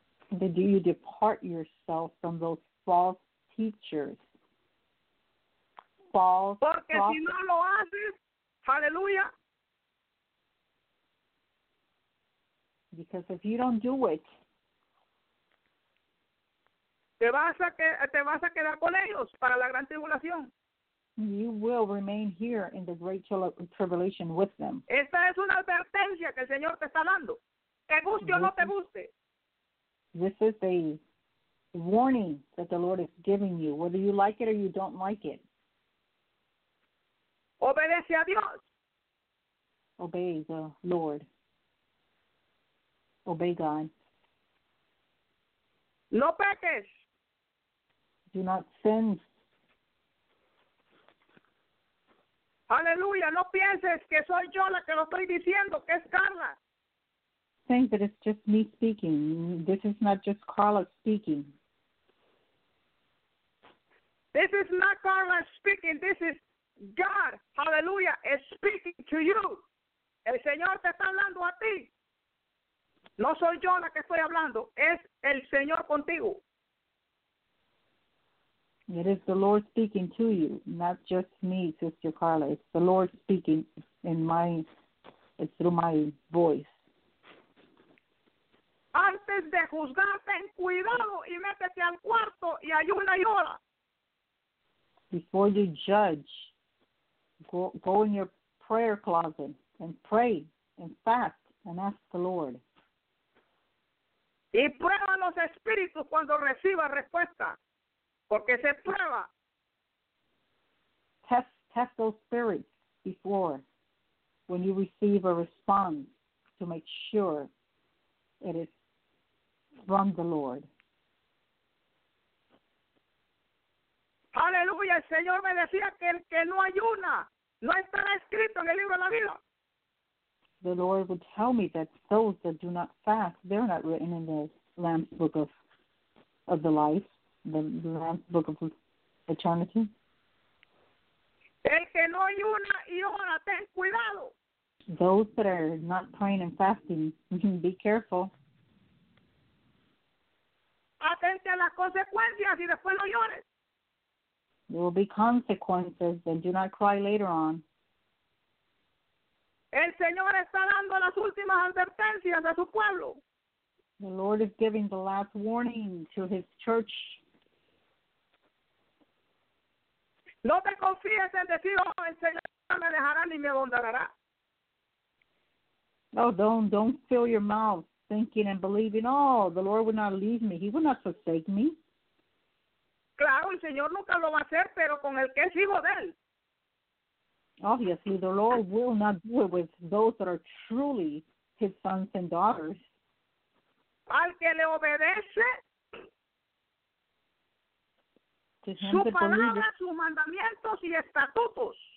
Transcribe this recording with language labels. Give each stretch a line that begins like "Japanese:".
English: Do you depart yourself from those false teachers. False.
Spanish: Porque si no lo haces, aleluya.
English: Because if you don't do it,
Spanish: te vas a quedar con ellos para la gran tribulación.
English: You will remain here in the great tribulation with them.
Spanish: Esta es una advertencia que el Señor te está dando. Te guste o no te guste.
English: This is a warning that the Lord is giving you, whether you like it or you don't like it.
Spanish: Obedece a Dios.
English: Obey the Lord. Obey God.
Spanish: No peques.
English: Do not sin.
Spanish: Aleluya, no pienses que soy yo la que lo estoy diciendo, que es Carla.
English: Think that it's just me speaking. This is not just Carla speaking. This is not Carla speaking. This is God, aleluya, is speaking to you.
Spanish: El Señor te está hablando a ti. No soy yo la que estoy hablando. Es el Señor contigo.
English: It is the Lord speaking to you, not just me, Sister Carla. It's the Lord speaking in my, it's through my voice.
Spanish: Antes de juzgar, ten cuidado y métete al cuarto y ayuna y ora.
English: Before you judge, go in your prayer closet and pray and fast and ask the Lord.
Spanish: Y prueba los espíritus cuando reciba respuesta, porque se prueba.
English: Test those spirits before when you receive a response to make sure it is from the Lord.
Spanish: Aleluya, el Señor me decía que el que no ayuna no estará escrito en el libro de la vida.
English: The Lord would tell me that those that do not fast, they're not written in the Lamb's Book of the Life, the Lamb's Book of Eternity.
Spanish: El que no ayuna y ora, ten cuidado.
English: Those that are not praying and fasting, be careful.
Spanish: Atente a las consecuencias y después no llores.
English: There will be consequences, and do not cry later on.
Spanish: El Señor está dando las últimas advertencias a su pueblo.
English: The Lord is giving the last warning to his church.
Spanish: No te confíes en decir, oh, el Señor me dejará ni me abandonará.
English: Oh, don't fill your mouth thinking and believing, oh, the Lord would not leave me. He would not forsake me.
Spanish: Claro, el Señor nunca lo va a hacer, pero con el que es hijo de él.
English: Obviously, the Lord will not do it with those that are truly his sons and daughters.
Spanish: Al que le obedece,
English: to him
Spanish: su
English: that
Spanish: palabra,
English: believes,
Spanish: sus mandamientos y estatutos.